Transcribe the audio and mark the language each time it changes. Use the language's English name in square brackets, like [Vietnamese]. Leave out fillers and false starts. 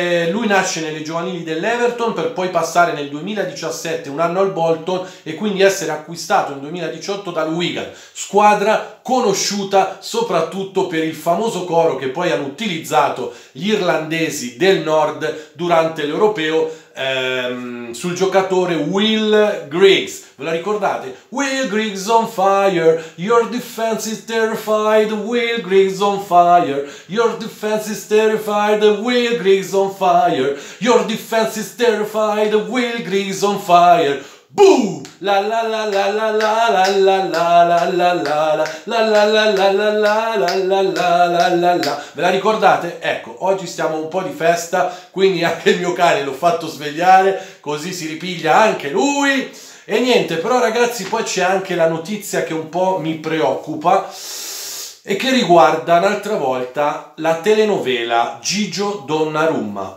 [Italian] Lui nasce nelle giovanili dell'Everton, per poi passare nel 2017 un anno al Bolton e quindi essere acquistato nel 2018 dal Wigan, squadra conosciuta soprattutto per il famoso coro che poi hanno utilizzato gli irlandesi del nord durante l'europeo, sul giocatore Will Griggs. Ve la ricordate? [English] Will Griggs on fire, your defense is terrified, Will Griggs on fire, your defense is terrified, Will Griggs on fire, your defense is terrified, Will Griggs on fire. Boo! La la la la la la la la la la la la la la la la la la la la la la la la la la. [Italian] Ve la ricordate? Ecco, oggi stiamo un po' di festa, quindi anche il mio cane l'ho fatto svegliare, così si ripiglia anche lui. E niente, però ragazzi, poi c'è anche la notizia che un po' mi preoccupa e che riguarda un'altra volta la telenovela Gigio Donnarumma.